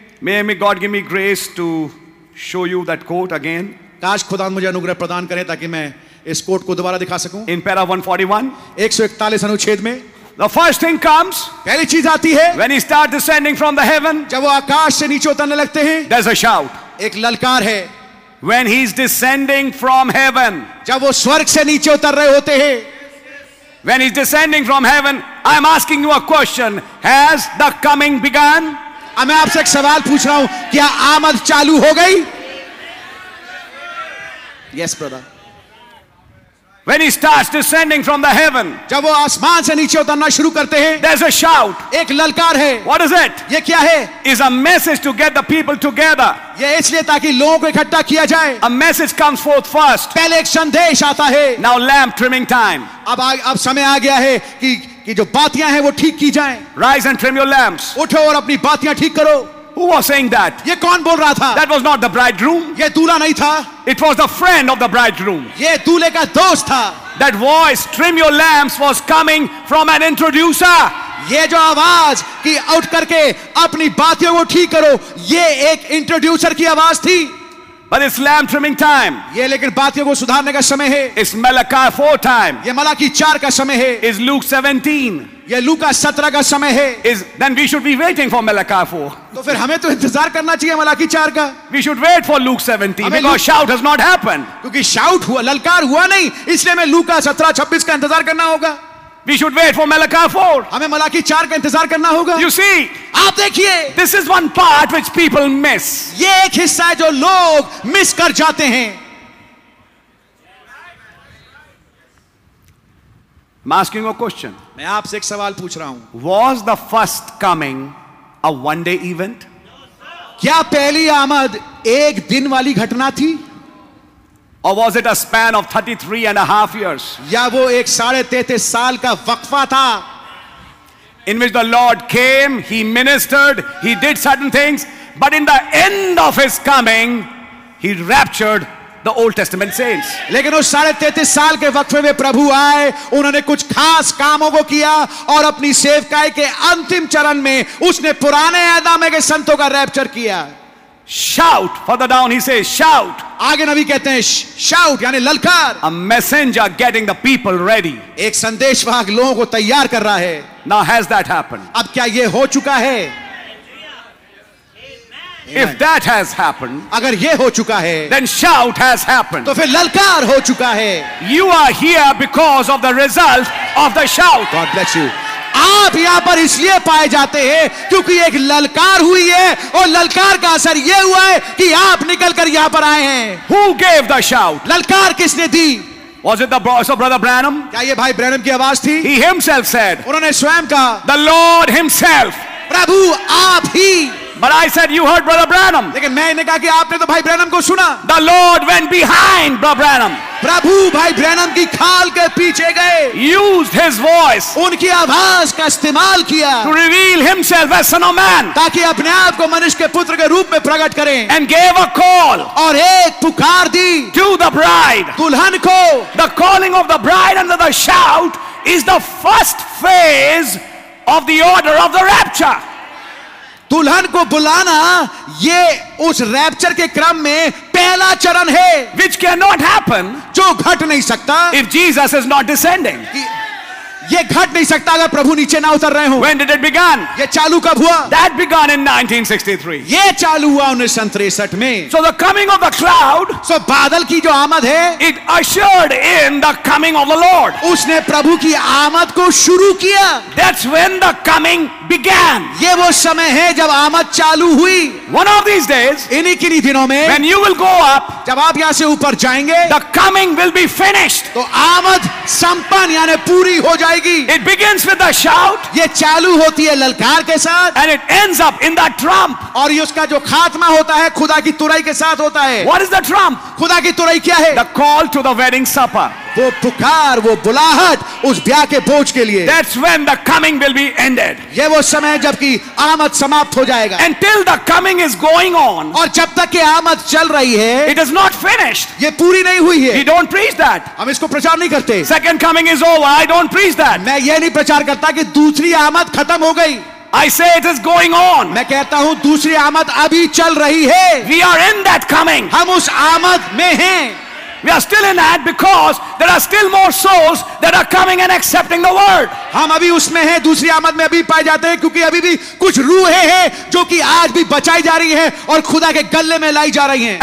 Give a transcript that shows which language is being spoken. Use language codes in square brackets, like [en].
[en] May God give me grace to show you that quote again. [hi] काश खुदा मुझे अनुग्रह प्रदान करें ताकि मैं इस कोट को दोबारा दिखा सकूं. [en] in para 141 [hi] 141 अनुच्छेद में [en] The first thing comes [hi] पहली चीज आती है [en] when he starts descending from the heaven [hi] जब वो आकाश से नीचे उतरने लगते हैं [en] there's a shout [hi] एक ललकार है [en] when he is descending from heaven [hi] जब वो स्वर्ग से नीचे उतर रहे होते हैं [en] when he is descending from heaven I'm asking you a question has the coming begun [hi] मैं आपसे एक सवाल पूछ रहा हूं क्या आमद चालू हो गई [en] Yes brother When he starts descending from the heaven, [hi] जब वो आसमान से नीचे उतरना शुरू करते हैं, [en] there's a shout. [hi] एक ललकार है. [en] What is it? [hi] ये क्या है? [en] Is a message to get the people together. [hi] ये इसलिए ताकि लोगों को इकट्ठा किया जाए. [en] A message comes forth first. [hi] पहले एक संदेश आता है. [en] Now lamp trimming time. [hi] अब समय आ गया है कि जो बातियां हैं वो ठीक की जाएं. [en] Rise and trim your lamps. [hi] उठो और अपनी बातियां ठीक करो. [en] Who was saying that? [hi] ये कौन बोल रहा था? [en] That was not the bridegroom. [hi] ये दूल्हा नहीं था. [en] It was the friend of the bridegroom. [hi] ये दूल्हे का दोस्त था. [en] That voice, trim your lamps, was coming from an introducer. [hi] ये जो आवाज कि आउट करके अपनी बातियों को ठीक करो, ये एक इंट्रोड्यूसर की आवाज थी. [en] But it's lamp trimming time. [hi] ये लेकिन बातियों को सुधारने का समय है. [en] It's Malachi 4 time. [hi] ये मलाकी 4 का समय है. [en] It's Luke 17. [hi] ये लूका 17 का समय है. [en] Is then we should be waiting for Malachi 4. [hi] तो फिर हमें तो इंतजार करना चाहिए मलाकी 4 का. [en] We should wait for Luke 17 because shout has not happened. [hi] क्योंकि shout हुआ, ललकार हुआ नहीं. इसलिए मैं लूका 17 26 का इंतजार करना होगा. [en] We should wait for Malachi 4. [hi] हमें मलाकी 4 का इंतजार करना होगा. [en] You see, [hi] आप देखिए. [en] This is one part which people miss. [hi] ये एक हिस्सा है जो लोग miss कर जाते हैं. [en] I'm asking a question. [hi] मैं आपसे एक सवाल पूछ रहा हूं. [en] Was the first coming a one day event? [hi] क्या पहली आमद एक दिन वाली घटना थी? [en] Or was it a span of 33 and a half years? [hi] या वो एक 33.5 साल का वक्फा था? [en] In which the Lord came, he ministered, he did certain things, but in the end of his coming, he raptured The Old Testament saints. [hi] लेकिन उस 33.5 साल के वक्फे में प्रभु आए उन्होंने कुछ खास कामों को किया और अपनी सेवकाई के अंतिम चरण में उसने पुराने आदम के संतों का रैप्चर किया [en] Shout for the down, he says, shout. [hi] आगे नबी कहते हैं shout यानी ललकार. [en] A messenger getting the people ready. [hi] एक संदेशवाहक लोगों को तैयार कर रहा है. [en] Now has that happened? [hi] अब क्या ये हो चुका है? [en] If that has happened, [hi] अगर ये हो चुका है, [en] then shout has happened. [hi] तो फिर ललकार हो चुका है. [en] You are here because of the result of the shout. God bless you. [hi] आप यहाँ पर इसलिए पाए जाते हैं क्योंकि एक ललकार हुई है और ललकार का असर ये हुआ है कि आप निकलकर यहाँ पर आए हैं. [en] Who gave the shout? [hi] ललकार किसने दी? [en] Was it the voice of Brother Branham? [hi] क्या ये भाई ब्रैनम की आवाज थी? [en] He himself said. [hi] उन्होंने स्वयं कहा. [en] The Lord Himself. [hi] प्रभु आप ही. [en] But I said you heard Brother Branham. [hi] लेकिन मैंने कहा कि आपने तो भाई ब्रैनम को सुना. [en] The Lord went behind Brother Branham. [hi] प्रभु भाई ब्रैनम की खाल के पीछे गए. [en] Used his voice. [hi] उनकी आवाज का इस्तेमाल किया. [en] To reveal himself as Son of Man. [hi] ताकि अपने आप को मनुष्य के पुत्र के रूप में प्रकट करें. [en] And gave a call. [hi] और एक पुकार दी. [en] To the bride. [hi] दुल्हन को. [en] The calling of the bride under the shout is the first phase of the order of the rapture. [hi] दुल्हन को बुलाना ये उस रैप्चर के क्रम में पहला चरण है. [en] which can not happen [hi] जो घट नहीं सकता. [en] if Jesus is not descending [hi] ये घट नहीं सकता अगर प्रभु नीचे ना उतर रहे हो. [en] when did it began [hi] ये चालू कब हुआ? [en] that began in 1963 [hi] ये चालू हुआ 1963 में. [en] so the coming of the cloud [hi] so बादल की जो आमद है [en] it assured in the coming of the lord [hi] उसने प्रभु की आमद को शुरू किया. [en] that's when the coming began [hi] ये वो समय है जब आमद चालू हुई. [en] one of these days [hi] इन्हीं किन्हीं दिनों में [en] when you will go up [hi] जब आप यहां से ऊपर जाएंगे [en] the coming will be finished [hi] तो आमद संपन्न यानी पूरी हो जाएगी. [en] It begins with a shout. [hi] ये चालू होती है ललकार के साथ. [en] And it ends up in the trump. [hi] और ये उसका जो खात्मा होता है खुदा की तुरही के साथ होता है. [en] What is the trump? [hi] खुदा की तुरही क्या है? [en] The call to the wedding supper. [hi] वो पुकार, वो बुलाहट उस ब्याह के भोज के लिए. [en] That's when the coming will be ended. [hi] ये वो समय है जबकि आमद समाप्त हो जाएगा. [en] Until the coming is going on. [hi] और जब तक ये आमद चल रही है. [en] It is not finished. [hi] ये पूरी नहीं हुई है. [en] We don't preach that. [hi] हम इसको प्रचार नहीं करते. [en] Second coming is over. I don't preach that. [hi] मैं ये नहीं प्रचार करता कि दूसरी आमद खत्म हो गई. [en] I say it is going on. [hi] मैं कहता हूँ दूसरी आमद अभी चल रही है. [en] We are in that coming. [hi] हम उस आमद में हैं. [en] We are still in that because there are still more souls that are coming and accepting the word. [hi] हम अभी उसमें हैं, दूसरी आमद में अभी पाए जाते हैं क्योंकि अभी भी कुछ रूहें हैं जो कि आज भी बचाई जा रही हैं और खुदा के गले में लाई जा रही हैं.